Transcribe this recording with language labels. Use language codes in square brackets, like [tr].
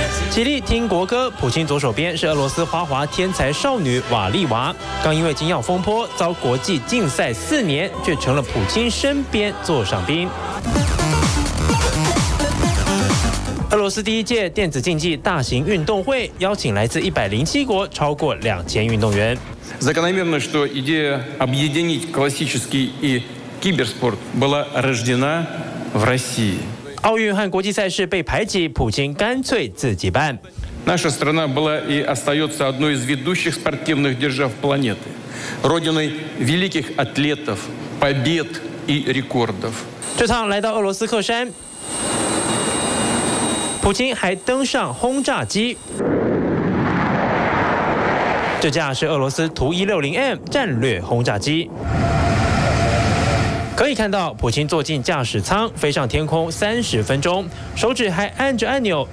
[zh] 起立听国歌，普京左手边是俄罗斯花滑天才少女瓦利娃，刚因为金耀风波遭国际禁赛四年，却成了普京身边座上宾。俄罗斯第一届电子竞技大型运动会邀请来自107国超过2000运动员。 [ru] Закономерно, что идея объединить классический и киберспорт была рождена в России. [zh] 奥运和国际赛事被排挤，普京干脆自己办。 [ru] Наша страна была и остается одной из ведущих спортивных держав планеты, родиной великих атлетов, побед и рекордов. [zh] 这趟来到俄罗斯喀山。普京还登上轰炸机，这架是俄罗斯图160M 战略轰炸机。可以看到，普京坐进驾驶舱，飞上天空30分钟，手指还按着按钮。